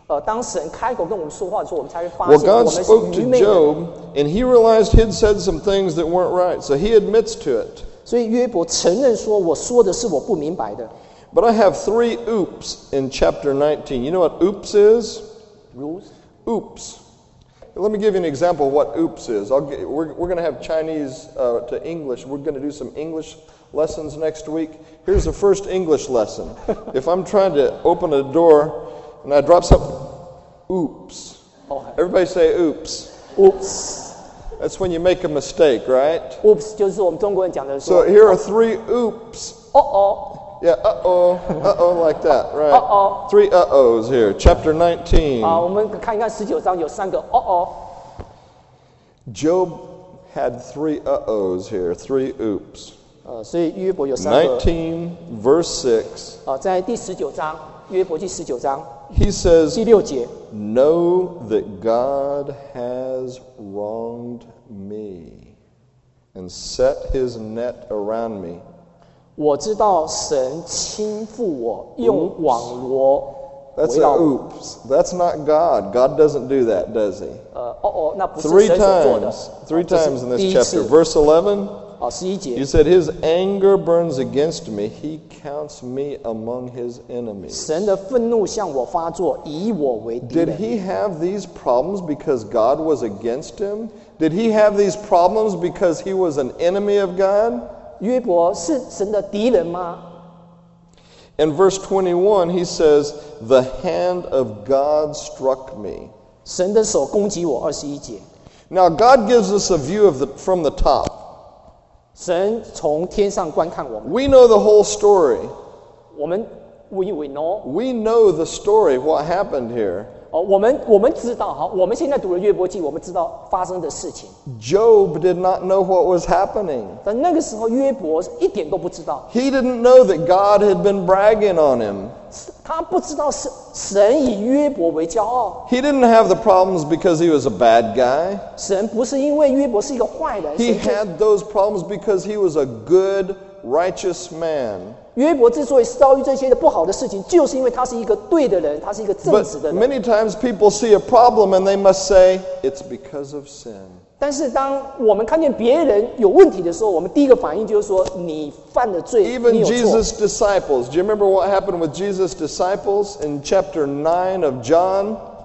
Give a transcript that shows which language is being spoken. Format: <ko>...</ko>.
<zh>当神开口跟我们说话的时候，我们才会发现</zh> <en>Well, God spoke to Job, and he realized he'd said some things that weren't right. So he admits to it.</en> <zh>所以约伯承认说，我说的是我不明白的。</zh> <en>But I have three oops in chapter 19. You know what oops is? Rules? Oops. Let me give you an example of what oops is. We're going to have Chinese to English. We're going to do some English lessons next week. Here's the first English lesson. If I'm trying to open a door and I drop something, oops. Everybody say oops. Oops. That's when you make a mistake, right?</en> <zh>Oops, 就是我们中国人讲的说。</zh> <en>So here are three oops. Uh-oh. Yeah, uh-oh, like that, right. Uh-oh. Three uh-ohs here. Chapter 19.</en> <zh>我们看一看19章有三个 uh-oh.</zh> <en>Job had three uh-ohs here, three oops.</en> <zh>所以约伯有三个。</zh> <en>19, verse 6.</en> <zh>在第19章，约伯记19章。</zh> <en>He says,</en> <zh>第六节。</zh> <en>Know that God has wronged me and set his net around me.</en> <zh>我知道神侵覆我，用网罗围绕我。</zh> <en>That's an oops. That's not God. God doesn't do that, does he?</en> <zh>那不是神所做的。</zh> <en>Three times in this chapter. Verse 11.</en> <zh>十一节。</zh> <en>He said, His anger burns against me. He counts me among his enemies.</en> <zh>神的愤怒向我发作，以我为敌人。</zh> <en>Did he have these problems because God was against him? Did he have these problems because he was an enemy of God?</en> <zh>约伯是神的敌人吗？</zh> <en>In verse 21, he says, "The hand of God struck me."</en> <zh>神的手攻击我。二十一节。</zh> <en>Now God gives us a view of from the top.</en> <zh>神从天上观看我们。</zh> <en>We know the whole story. We know the story. What happened here?</en> <zh>我们知道哈，我们现在读了约伯记，我们知道发生的事情。</zh> <en>Job did not know what was happening.</en> <zh>但那个时候约伯一点都不知道。</zh> <en>He didn't know that God had been bragging on him.</en> <zh>他不知道神以约伯为骄傲。</zh> <en>He didn't have the problems because he was a bad guy.</en> <zh>神不是因为约伯是一个坏人。</zh> <en>He had those problems because he was a good, righteous man.</en> <zh>约伯之所以遭遇这些不好的事情，就是因为他是一个对的人，他是一个正直的人。</zh> <en>Many times people see a problem and they must say it's because of sin.</en> <zh>但是当我们看见别人有问题的时候，我们第一个反应就是说你犯了罪，你有错。</zh> <en>Even Jesus' disciples, do you remember what happened with Jesus' disciples in chapter 9 of John?</en>